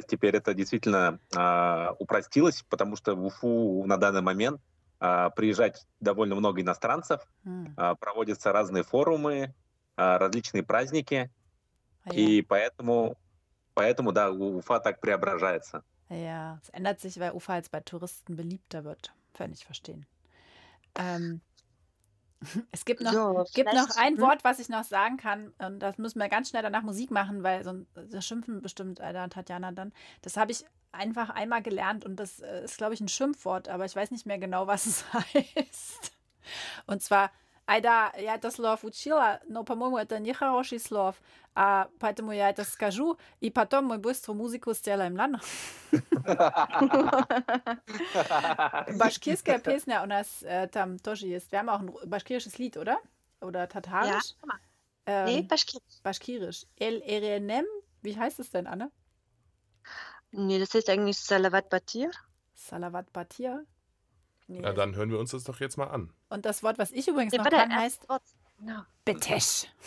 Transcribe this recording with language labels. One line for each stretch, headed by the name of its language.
Russian: Теперь это действительно упростилось, потому что в Уфу на данный момент приезжать довольно много иностранцев, проводятся разные форумы, различные праздники,
German: Ja.
Russian: и поэтому да, Уфа так преображается.
German: Ja, es ändert sich, weil Ufa jetzt bei Touristen beliebter wird. Völlig ich verstehen. Es gibt noch vielleicht. ein Wort, was ich noch sagen kann, und das müssen wir ganz schnell danach Musik machen, weil sonst schimpfen bestimmt Alter und Tatjana dann. Das habe ich einfach einmal gelernt und das ist, glaube ich, ein Schimpfwort, aber ich weiß nicht mehr genau, was es heißt. Und zwar,
Russian: Айда, я это слово учила, но, по-моему, это нехороший слов, а поэтому я это скажу, и потом мы быстро музыку сделаем, ладно? Башкирская песня у нас там тоже есть.
German: Wir haben auch ein башкирisches Lied, oder? Oder татарisch? Ja, nee, башкирisch. Башкирisch. L-R-N-M, wie heißt es denn, Anne? Nee, das heißt eigentlich Salavat Batir. Salavat Batir. Nee. Na, dann hören wir uns das doch jetzt mal an. Und das Wort, was ich übrigens noch kann, heißt Betesh.